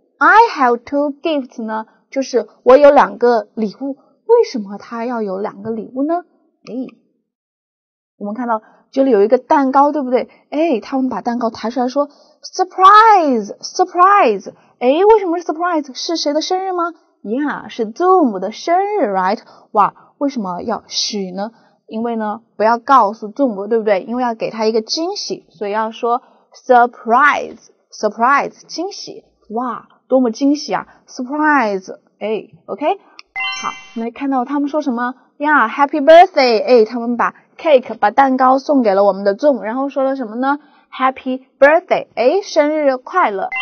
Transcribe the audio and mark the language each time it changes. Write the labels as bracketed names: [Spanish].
[English] I have two gifts [Chinese] 呢，就是我有两个礼物。为什么他要有两个礼物呢？诶，我们看到这里有一个蛋糕，对不对？诶，他们把蛋糕抬出来说 Surprise. 诶，为什么是 surprise? 是谁的生日吗？ Yeah, 是 Zoom 的生日， right? 哇，为什么要许呢？因为呢，不要告诉 Zoom, 对不对？因为要给他一个惊喜，所以要说 surprise, 惊喜。哇，多么惊喜啊 ！surprise, 哎 ，OK, 好，来看到他们说什么呀 ？Happy birthday, 哎，他们把 cake, 把蛋糕送给了我们的 Zoom, 然后说了什么呢 ？Happy birthday, 哎，生日快乐！